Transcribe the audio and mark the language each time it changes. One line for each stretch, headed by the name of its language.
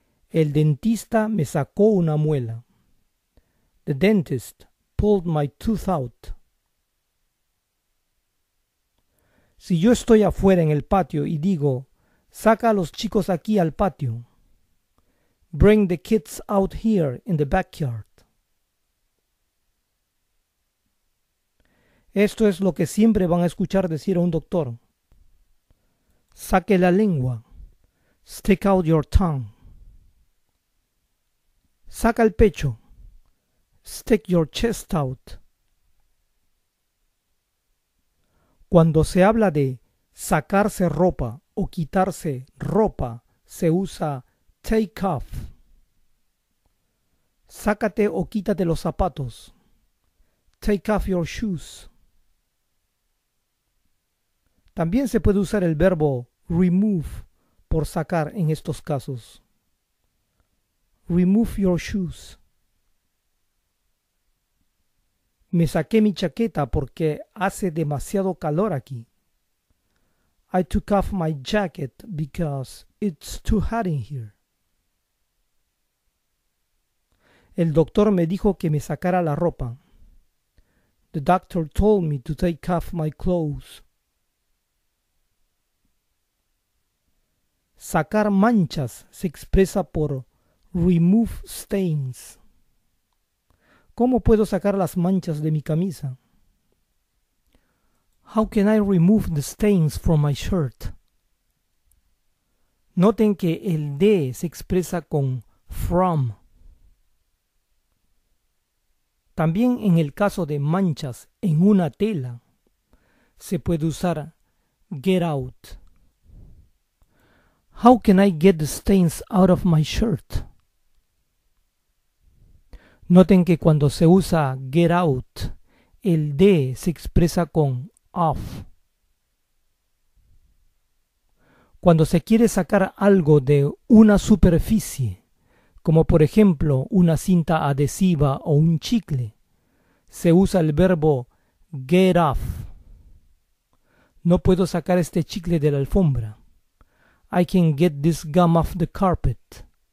Spanish: El dentista me sacó una muela.
English: The dentist pulled my tooth out.
Spanish: Si yo estoy afuera en el patio y digo, saca a los chicos aquí al patio.
English: Bring the kids out here in the backyard.
Spanish: Esto es lo que siempre van a escuchar decir a un doctor. Saque la lengua.
English: Stick out your tongue.
Spanish: Saca el pecho.
English: Stick your chest out.
Spanish: Cuando se habla de sacarse ropa o quitarse ropa, se usa take off. Sácate o quítate los zapatos.
English: Take off your shoes.
Spanish: También se puede usar el verbo remove por sacar en estos casos.
English: Remove your shoes.
Spanish: Me saqué mi chaqueta porque hace demasiado calor aquí.
English: I took off my jacket because it's too hot in here.
Spanish: El doctor me dijo que me sacara la ropa.
English: The doctor told me to take off my clothes.
Spanish: Sacar manchas se expresa por remove stains. ¿Cómo puedo sacar las manchas de mi camisa?
English: How can I remove the stains from my shirt?
Spanish: Noten que el de se expresa con from. También en el caso de manchas en una tela, se puede usar get out.
English: How can I get the stains out of my shirt?
Spanish: Noten que cuando se usa get out, el de se expresa con off. Cuando se quiere sacar algo de una superficie, como por ejemplo una cinta adhesiva o un chicle, se usa el verbo get off. No puedo sacar este chicle de la alfombra.
English: I can get this gum off the carpet.